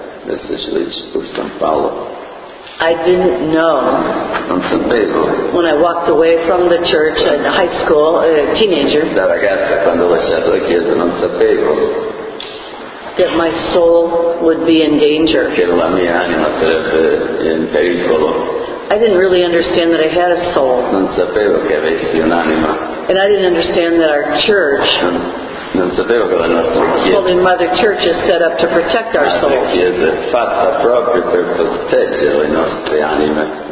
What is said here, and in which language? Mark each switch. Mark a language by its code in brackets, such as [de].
[it] Adesso ci dice pur San Paolo. [en] I didn't know. [it] Non sapevo. [en] When I walked away from the church in high school, a teenager. [it] Da ragazza quando ho lasciato la chiesa non sapevo. [en] That my soul would be in danger. [it] Che la mia anima sarebbe in pericolo. [en] I didn't really understand that I had a soul. [it] Non sapevo che avessi un'anima. [en] And I didn't understand that our church. [it] Non sapevo che la nostra chiesa. [en] Holy Mother Church is set up to protect our souls. [it] La chiesa è fatta proprio per proteggere le nostre anime.